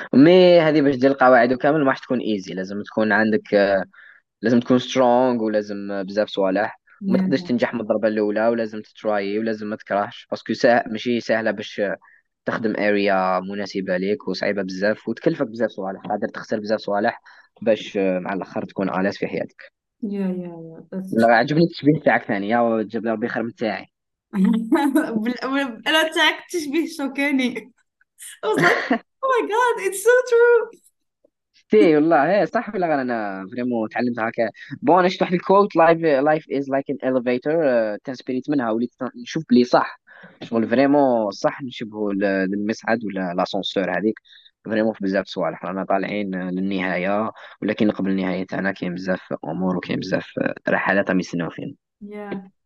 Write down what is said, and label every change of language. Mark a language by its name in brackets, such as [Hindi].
[Arabic] مي هذه باش دير القواعد وكامل ما راح تكون ايزي، لازم تكون عندك، لازم تكون سترونغ ولازم بزاف صوالح، وما تقدرش تنجح من الضربه الاولى، ولازم تتراي ولازم ما تكرهش، باسكو ماشي سهله باش تخدم اريا مناسبه ليك، وصعيبه بزاف وتكلفك بزاف صوالح، قادر تخسر بزاف صوالح باش مع الاخر تكون عالاس في حياتك. يا بس لا عجبني التشبيه تاعك ثاني، يا جاب لي ربي خير من تاعي. انا تاعك تشبيه شوكاني. [English] I was like oh my god it's so true. [Arabic] تي والله هي صح ولا غير، انا فريمون تعلمت هكا. بون انا شفت واحد الكوت، [English] life is like an elevator [Arabic] تنسبيريت منها، وليت نشوف بلي صح، شغل فريمون صح، نشبهوا المصعد ولا لاسانسور هذيك فريمون في بزاف صوالح، رانا طالعين للنهاية، ولكن قبل النهاية تاعنا كاين بزاف أمور وكاين بزاف رحلات راهم يستناو فينا.